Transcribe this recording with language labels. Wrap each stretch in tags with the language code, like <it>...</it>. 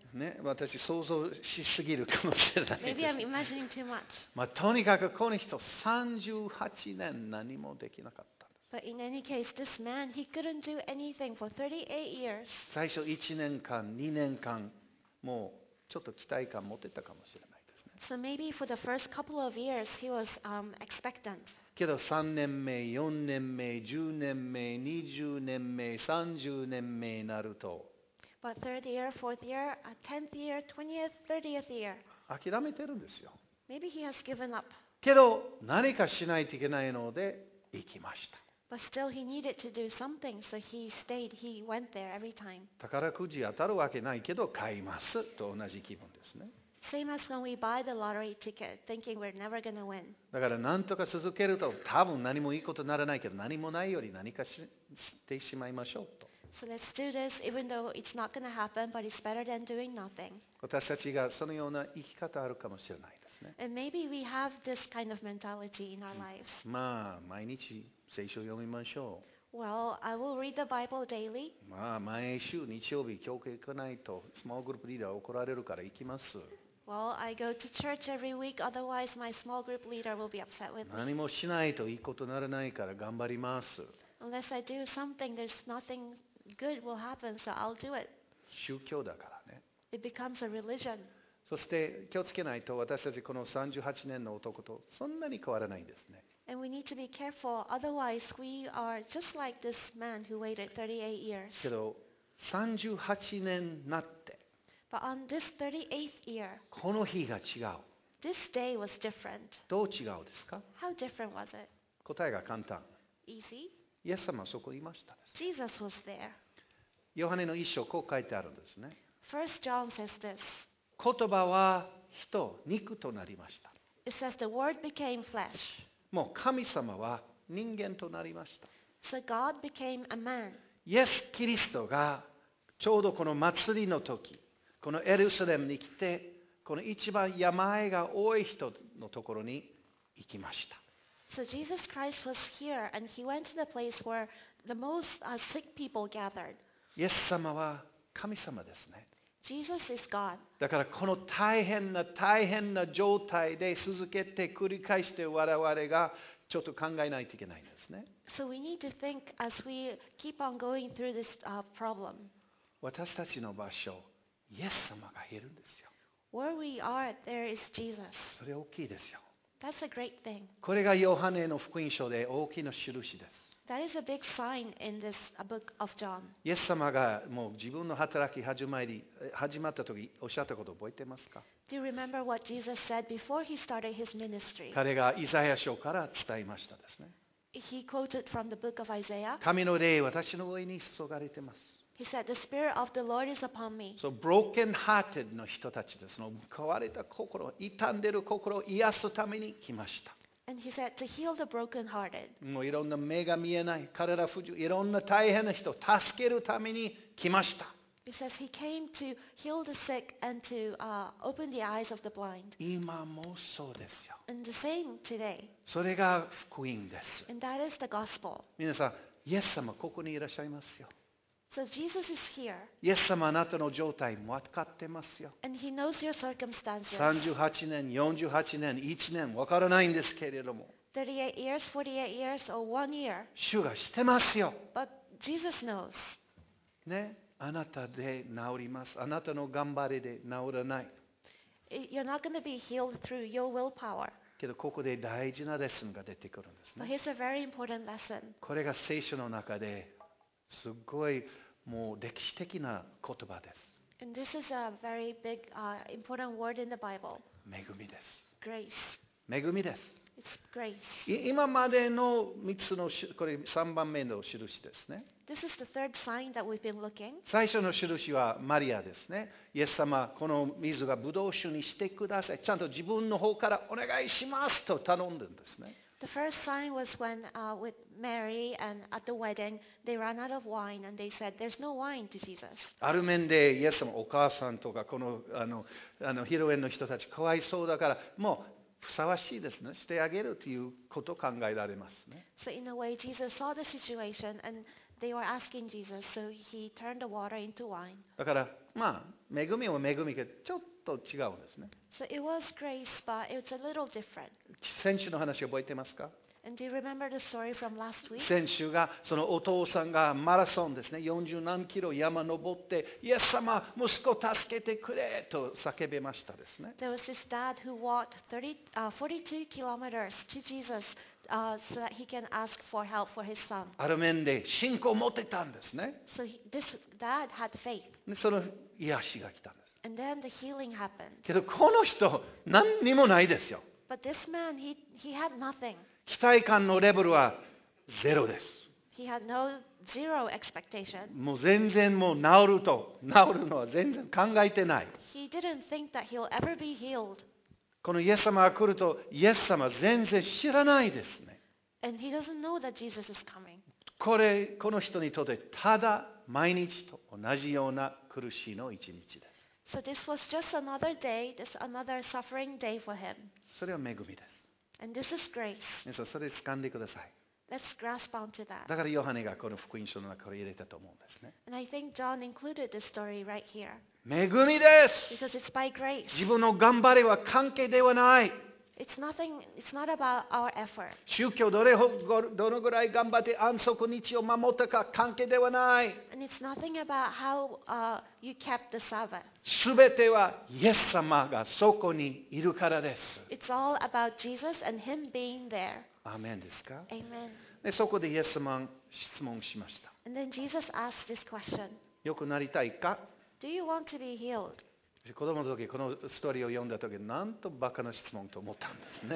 <ja>ね、私想像しすぎるかもしれない。</ja> <en>Maybe I'm imagining too much.</en> <ja>まあ、とにかくこの人38年何もできなかったんです。</ja> <en>But in any case, this man he couldn't do anything for 38 years.</en> <ja>最初1年間、2年間もうちょっと期待感持てたかもしれないですね。</ja> <en>So maybe for the first couple of years he was expectant.</en> <ja>けど3年目、4年目、10年目、20年目、30年目になると</ja> <en>But third year, fourth year, a tenth year, twentieth, thirtieth year</en> <ja>諦めてるんですよ</ja> <en>Maybe he has given up</en> <ja>けど何かしないといけないので行きました</ja> <en>But still he needed to do something, so he stayed, he went there every time</en> <ja>宝くじ当たるわけないけど買いますと同じ気分ですね</ja> <en>Same as when we buy the lottery ticket, thinking we're never going to win.</en> <ja>だから何とか続けると多分何もいいことにならないけど何もないより何かしてしまいましょうと。</ja> <en>So let's do this, even though it's not going to happen, but it's better than doing nothing.</en> <ja>私たちがそのような生き方あるかもしれないですね。</ja> <en>And maybe we have this kind of mentality in our lives.</en> <ja>まあ毎日聖書を読みましょう。</ja> <en>Well, I will read the Bible daily.</en> <ja>まあ毎週日曜日教会行かないとスモールグループリーダー怒られるから行きます。</ja> <en>Well, I go to church every week. Otherwise, my small group leader will be upset with me.</en> <ja>何もしないといいことにならないから頑張ります。</ja> <en>Unless I do something, there's nothing good will happen, so I'll do it.</en> <ja>宗教だからね。</ja> <en>It becomes a religion.</en> <ja>そして気をつけないと私たちこの38年の男とそんなに変わらないんですね。</ja> <en>And we need to be careful. Otherwise, we are just like this man who waited 38 years.</en> <ja>けど38年なって。</ja> <en>But on this 38th year,</en> <ja>この日が違う。</ja> <en>This day was different.</en> <ja>どう違うですか</ja> <en>?How different was it?</en> <ja>答えが簡単。</ja> <en>Easy?</en> <ja>イエス様はそこにいましたです。</ja> <en>Jesus was there.</en> <ja>ヨハネの一章こう書いてあるんですね。</ja> <en>First John says this.</en> <ja>言葉は人、肉となりました。</ja> <en>It says the word became flesh.</en> <ja>もう神様は人間となりました。</ja> <en>So God became a man.</en> <ja>イエス・キリストがちょうどこの祭りの時、このエルサレムに来て、この一番病が多い人のところに行きました。</ja> <en>So Jesus Christ was here, and he went to the place where the most sick people gathered.</en> <ja>イエス様は神様ですね。</ja> <en>Jesus is God.</en> <ja>だからこの大変な大変な状態で続けて繰り返して我々がちょっと考えないといけないんですね。</ja> <en>So we need to think as we keep on going through this problem.</en> <ja>私たちの場所。イエス様がいるんですよ。</ja> <en>Where we are, there is Jesus.</en> <ja>それ大きいですよ。</ja> <en>That's a great thing.</en> <ja>これがヨハネの福音書で大きな印です。</ja> <en>That is a big sign in this book of John.</en> <ja>イエス様がもう自分の働き始まった時おっしゃったことを覚えてますか</ja> <en>Do you remember what Jesus said before he started his ministry?</en> <ja>彼がイザヤ書から伝えましたですね。</ja> <en>He quoted from the book of Isaiah.</en> <ja>神の霊私の上に注がれてます。</ja> <en>He said, "The spirit of the Lord is upon me." So broken-hearted</en> <ja>の人たちです。その壊れた心、傷んでる心を癒すために来ました。</ja> <en>And he said, "To heal the broken-hearted."</en> <ja>もういろんな目が見えない、体不自由、いろんな大変な人を助けるために来ました。</ja> <en>He says he came to heal the sick and to open the eyes of the blind.</en> <ja>今もそうですよ。</ja> <en>And the same today.</en> <ja>それが福音です。</ja> <en>And that is the gospel.</en> <ja>皆さん、イエス様ここにいらっしゃいますよ。</ja> <en>So Jesus is here.</en> <ja>イエス様あなたの状態も分かってますよ。</ja> <en>And he knows your circumstances.</en> <ja>38年、48年、1年、分からないんですけれども。</ja> <en>38 years, 48 years, or one year.</en> <ja>主が知ってますよ。</ja> <en>But Jesus knows.</en> <ja>ね、あなたで治ります。あなたの頑張りで治らない。</ja> <en>You're not going to be healed through your willpower.</en> <ja>けどここで大事なレッスンが出てくるんですね。</ja> <en>But here's a very important lesson.</en> <ja>これが聖書の中で。すごいもう歴史的な言葉です。</ja> <en>And this is a very big, important word in the Bible.</en> <ja>恵みです。</ja> <en>Grace.</en> <ja>恵みです。</ja> <en>It's grace.</en> <ja>今までの3つの、これ3番目の印ですね。</ja> <en>This is the third sign that we've been looking.</en> <ja>最初の印はマリアですね。イエス様、この水がブドウ酒にしてください。ちゃんと自分の方からお願いしますと頼んでんですね。</ja> <en>The first sign was when with Mary and at the wedding they ran out of wine and they said there's no wine to Jesus.</en> <ja>ある面でイエス様お母さんとかこの披露宴の人たちかわいそうだからもうふさわしいですねしてあげるということを考えられますね。</ja> <en>So in a way Jesus saw the situation and they were asking Jesus so he turned the water into wine.</en> <ja>だからまあ恵みも恵みがちょっと違うんですね。</ja> <en>So it was grace, but it's a little different.</en> <ja>先週の話覚えてますか？</ja> <en>And do you remember the story from last week?</en> <ja>先週がそのお父さんがマラソンですね、40何キロ山登って、イエス様、息子助けてくれと叫びましたですね。</ja> <en>There was this dad who walked 42 kilometers to Jesus, so that he can ask for help for his son.</en> <ja>ある面で信仰持ってたんですね。</ja> <en>So this dad had faith.</en> <ja>その癒しが来たんです。</ja> <en>And then the healing happened.</en> <ja>けどこの人何にもないですよ。</ja> <en>But this man, he had nothing.</en> <ja>期待感のレベルはゼロです。</ja> <en>He had no zero expectation.</en> <ja>もう全然もう治るのは全然考えてない。</ja> <en>He didn't think that he'll ever be healed.</en> <ja>このイエス様が来るとイエス様全然知らないですね。</ja> <en>And he doesn't know that Jesus is coming.</en> <ja>これこの人にとってただ毎日と同じような苦しいの一日です。</ja> <en>So this was just another day, this another suffering day for him.</en> <ja>それは恵みです。</ja> <en>And this is grace.</en> <ja>それを掴んでください。</ja> <en>Let's grasp onto that.</en> <ja>だからヨハネがこの福音書の中に入れたと思うんですね。</ja> <en>And I think John included this story right here.</en> <ja>恵みです。</ja> <en>Because it's by grace.</en> <ja>自分の頑張りは関係ではない。</ja> <en>It's not about our effort.</en> <ja>宗教どのぐらい頑張って安息日を守ったか関係ではない。</ja> <en>And it's nothing about how you kept the Sabbath.</en> <ja>全てはイエス様がそこにいるからです。</ja> <en>It's all about Jesus and Him being there.</en> <ja>アーメンですか？</ja> <en>Amen.</en> <ja>で、そこでイエス様質問しました。</ja> <en>And then Jesus asked this question.</en> <ja>よくなりたいか？</ja> <en>Do you want to be healed?</en> <ja>子供の時このストーリーを読んだ時なんとバカな質問と思ったんですね。</ja>